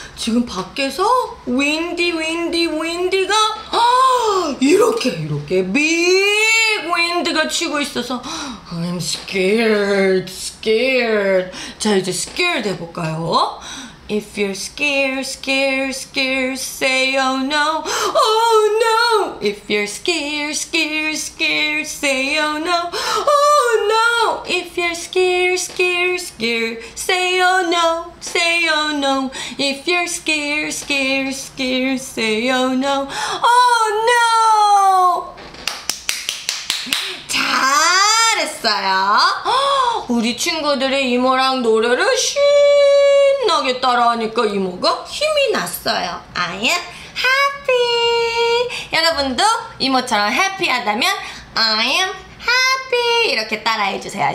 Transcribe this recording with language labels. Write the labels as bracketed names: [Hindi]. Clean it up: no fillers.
[Korean] 지금 밖에서 [English] windy, windy, windy가 [Korean] 이렇게 [English] big wind가 [Korean] 치고 있어서 [English] I'm scared, scared. [Korean] 자 이제 scared 해볼까요? [English] If you're scared, scared, scared, say oh no, oh no. If you're scared, scared, scared, say oh no, oh no. If you're scared, scared, scared, say oh no, say oh no. If you're scared, scared, scared, say oh no, oh no. [Korean] 잘했어요. 우리 친구들이 이모랑 노래를 신나게 따라하니까 이모가 힘이 났어요. [English] I am happy. [Korean] 여러분도 이모처럼 해피하다면 [English] I am happy [Korean] 이렇게 따라해주세요.